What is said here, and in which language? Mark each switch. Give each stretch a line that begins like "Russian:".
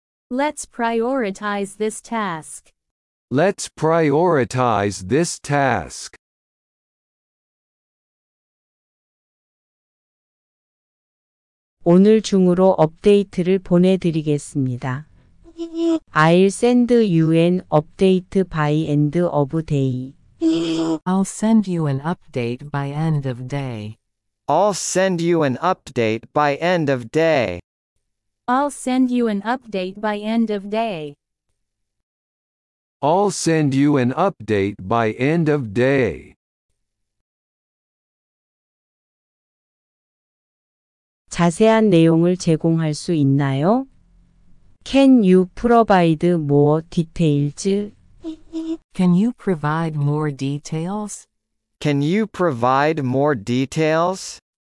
English: Let's prioritize this task. Let's prioritize this task. Let's prioritize this task.
Korean: 오늘 중으로 업데이트를 보내드리겠습니다.
English: I'll send you an update by end of day. I'll send you an update by end of day. I'll send you an update by end of day. I'll send you an update by end of day. I'll send you an update by end of day.
Korean: 자세한 내용을 제공할 수 있나요?
English: Can you provide more details? Can you provide more details? Can you provide more details?